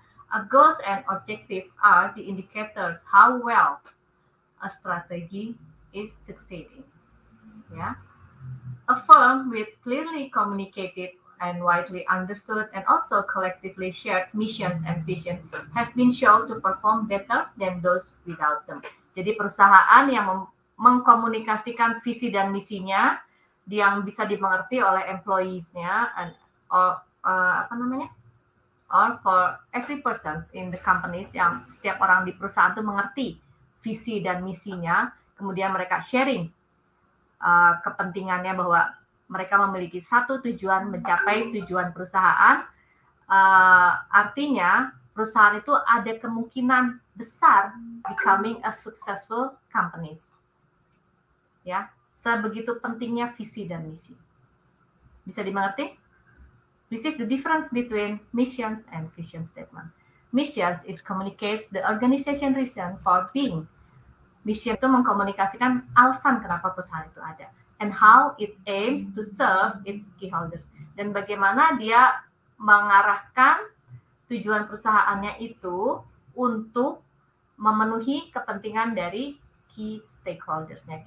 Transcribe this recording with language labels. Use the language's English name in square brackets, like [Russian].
[English] A goals and objective are the indicators how well a strategy is succeeding. Yeah. A firm with clearly communicated and widely understood and also collectively shared missions and vision have been shown to perform better than those without them. [Indonesian] Jadi perusahaan yang mengkomunikasikan visi dan misinya yang bisa dimengerti oleh employees-nya [English] and or for every persons in the companies [Indonesian] yang setiap orang di perusahaan itu mengerti visi dan misinya, kemudian mereka sharing kepentingannya bahwa mereka memiliki satu tujuan, mencapai tujuan perusahaan. Artinya perusahaan itu ada kemungkinan besar [English] becoming a successful companies. [Indonesian] Ya, sebegitu pentingnya visi dan misi. Bisa dimengerti? [English] This is the difference between missions and vision statement. Missions is communicates the organization reason for being. [Indonesian] Mission itu mengkomunikasikan alasan kenapa perusahaan itu ada [English] and how it aims to serve its stakeholders [Indonesian] dan bagaimana dia mengarahkan tujuan perusahaannya itu untuk memenuhi kepentingan dari key stakeholders-nya.